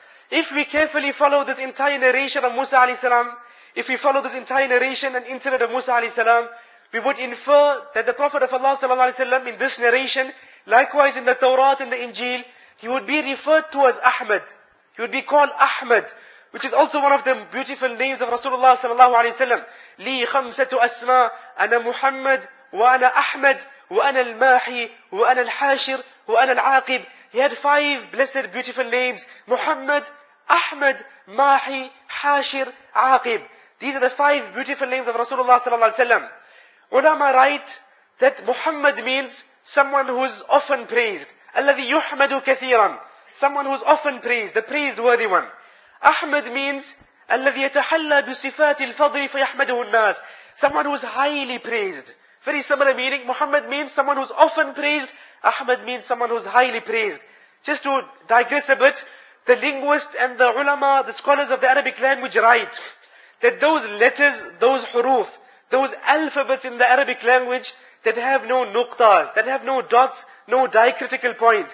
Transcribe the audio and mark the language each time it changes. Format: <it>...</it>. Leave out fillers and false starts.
<en>If we carefully follow this entire narration of Musa alayhi salam, if we follow this entire narration and incident of Musa alayhi salam, we would infer that the Prophet of Allah sallallahu alayhi wa sallam in this narration, likewise in the Torah and the Injil, he would be referred to as Ahmad. He would be called Ahmad, which is also one of the beautiful names of Rasulullah sallallahu alayhi wa sallam.</en> <ar>لي خمسة أسماء أنا محمد وأنا أحمد وأنا الماحي وأنا الحاشر وأنا العاقب.</ar> <en>He had five blessed, beautiful names. Muhammad, Ahmad, Mahi, Hashir, Aqib. These are the five beautiful names of Rasulullah sallallahu alayhi wa sallam. Ulama write that Muhammad means someone who is often praised.</en> <ar>الَّذِي يُحْمَدُ كَثِيرًا.</ar> <en>Someone who is often praised, the praiseworthy one. Ahmad means</en> <ar>الَّذِي يَتَحَلَّى بِصِفَاتِ الْفَضْلِ فَيَحْمَدُهُ النَّاسِ.</ar> <en>Someone who is highly praised. Very similar meaning. Muhammad means someone who is often praised. Ahmad means someone who is highly praised. Just to digress a bit, the linguists and the ulama, the scholars of the Arabic language write that those letters, those huruf, those alphabets in the Arabic language that have no nuqtas, that have no dots, no diacritical points.</en>